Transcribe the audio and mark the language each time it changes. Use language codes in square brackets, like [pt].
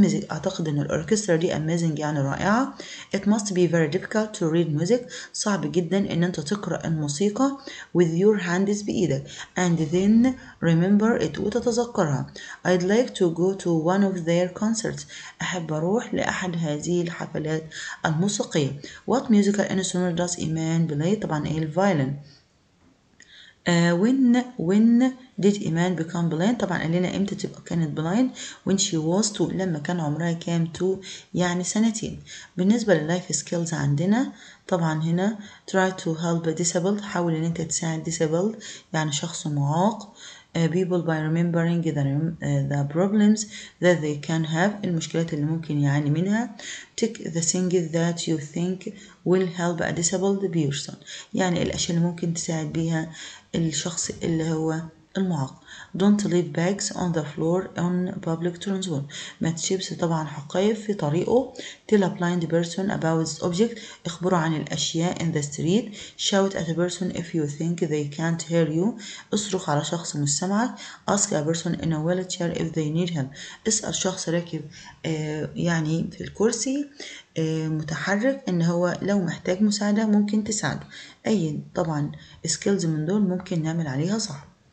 [ar] أعتقد أن الأوركسترا دي amazing يعني رائعة. [en] It must be very difficult to read music. [ar] صعب جدا أن أنت تقرأ الموسيقى [en] with your hands [ar] بإيدك [en] and then remember it [ar] وتتذكرها. [en] I'd like to go to one of their concerts. [ar] أحب أروح لأحد هذه الحفلات الموسيقية. [en] What musical instrument does Iman play? [ar] طبعا الفيولين. [en] When did Iman become blind? [ar] طبعا قالينا امتى تبقى كانت blind [en] when she was 2 [ar] لما كان عمرها كام 2 يعني سنتين. بالنسبة للايف سكيلز عندنا طبعا هنا [en] try to help disabled [ar] حاول ان انت تساعد disabled يعني شخص معاق. [en] People by remembering the problems that they can have [ar] المشكلات اللي ممكن يعاني منها. [en] Take the thing that you think will help a disabled person [ar] يعني الأشياء اللي ممكن تساعد بها الشخص اللي هو المعاق. [en] Don't leave bags on the floor on public transport. [ar] ما تسيبش طبعا حقائب في طريقه. [en] Tell a blind person about this object. [ar] اخبره عن الأشياء [en] in the street. Shout at a person if you think they can't hear you. [ar] اصرخ على شخص مش سامعك. [en] Ask a person in a wheelchair if they need help. [ar] اسأل شخص راكب يعني في الكرسي متحرك ان هو لو محتاج مساعدة ممكن تساعده. اي طبعا skills من دول ممكن نعمل عليها صح.